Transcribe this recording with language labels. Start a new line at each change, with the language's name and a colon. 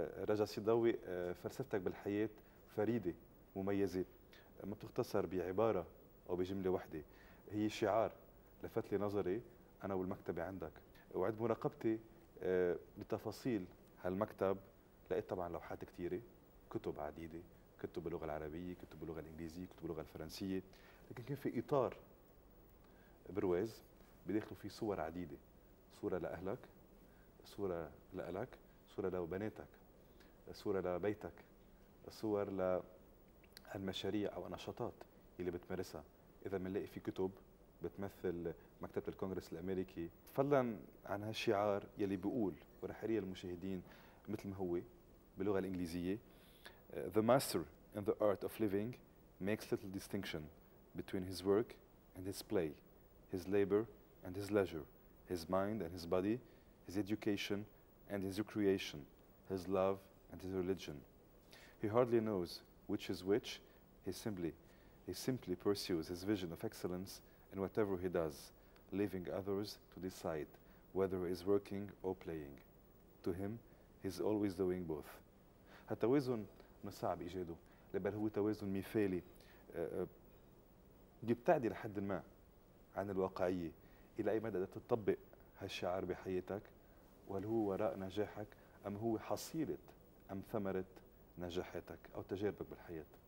Arabic: رجا سيداوي، فلسفتك بالحياة فريدة مميزة، ما بتختصر بعبارة أو بجملة واحدة، هي شعار لفت لي نظري أنا والمكتبة عندك، وعد مراقبتي بتفاصيل هالمكتب لقيت طبعا لوحات كثيرة، كتب عديدة، كتب باللغة العربية، كتب باللغة الإنجليزية، كتب باللغة الفرنسية، لكن كان في إطار برواز بداخله في صور عديدة، صورة لأهلك، صورة لألك، صورة لبناتك، صورة لبيتك، صور للمشاريع أو النشاطات اللي بتمارسها. إذا منلاقي في كتب بتمثل مكتبة الكونغرس الأمريكي، فضلاً عن هالشعار يلي بيقول، ورح أري المشاهدين مثل ما هو باللغة الإنجليزية:
English: The master in the art of living makes little distinction between his work and his play, his labor and his leisure, his mind and his body, his education and his recreation, his love and his religion. He hardly knows which is which. He simply pursues his vision of excellence in whatever he does, leaving others to decide whether he is working or playing. To him, he's always doing both.
Arabic: هالتوازن من الصعب ايجاده، بل هو توازن مثالي يبتعد لحد ما عن الواقعيه. الى اي مدى تطبق هالشعار بحياتك؟ وهل هو وراء نجاحك ام هو حصيله ام ثمره نجاحاتك او تجاربك بالحياه؟